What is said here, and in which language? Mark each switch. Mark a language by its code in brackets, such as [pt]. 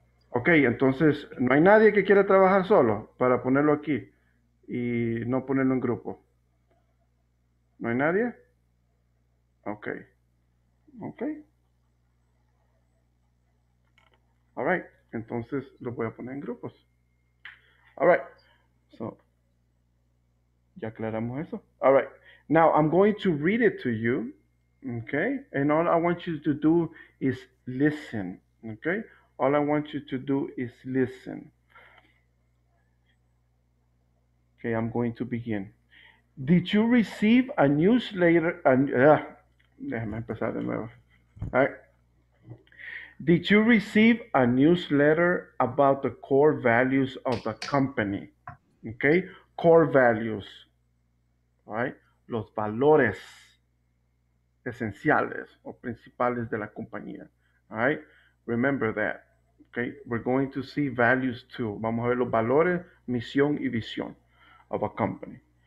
[es] Ok, entonces, ¿no hay nadie que quiera trabajar solo? Para ponerlo aquí y no ponerlo en grupo. ¿No hay nadie? Ok. Ok. [en] All right, [es] entonces lo voy a poner en grupos. [en] All right, so, [es] ya aclaramos eso. [en] All right, now I'm going to read it to you, okay? And all I want you to do is listen, okay? All I want you to do is listen. Okay, I'm going to begin. Did you receive a newsletter? [es] Déjame empezar de nuevo. [en] All right. Did you receive a newsletter about the core values of the company? Okay, core values, right? [es] Los valores esenciales o principales de la compañía, right? [en] Remember that, okay? We're going to see values too. [es] Vamos a ver los valores, misión y visión [en] of a company.